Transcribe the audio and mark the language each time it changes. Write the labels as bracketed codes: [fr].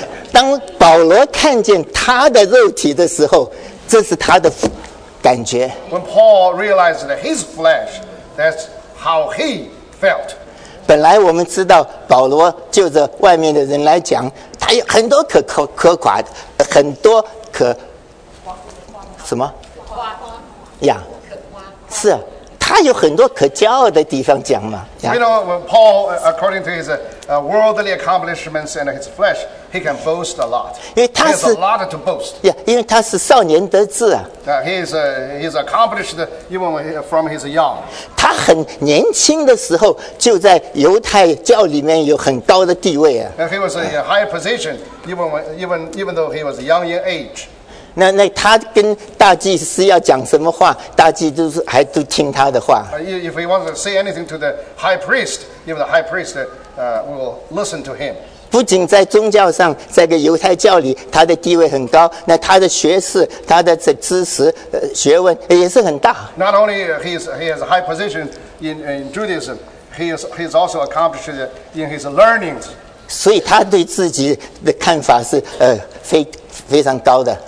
[zh] 当保罗看见他的肉体的时候，这是他的感觉。 [en] When Paul realized that his flesh, that's how he. [zh] 本来我们知道保罗就着外面的人来讲，他有很多可夸的，很多可什么呀？是啊，他有很多可骄傲的地方讲嘛。 [en] You know, when Paul, according to his worldly accomplishments and his flesh, he can boast a lot. [zh] 因为他是 [en] a lot to boast. [zh] Yeah, 因为他是少年得志啊。 [en] He's accomplished even from his young. [zh] 他很年轻的时候就在犹太教里面有很高的地位啊。 [en] He was in a high position even though he was young in age. [zh] 那他跟大祭司要讲什么话，大祭司还都听他的话。 [en] If he wants to say anything to the high priest, even the high priest will listen to him. [zh] 不仅在宗教上，在个犹太教里，他的地位很高。那他的学识、他的这知识、学问也是很大。 [en] Not only he has a high position in Judaism, he is also accomplished in his learnings. [zh] 所以他对自己的看法是非常高的。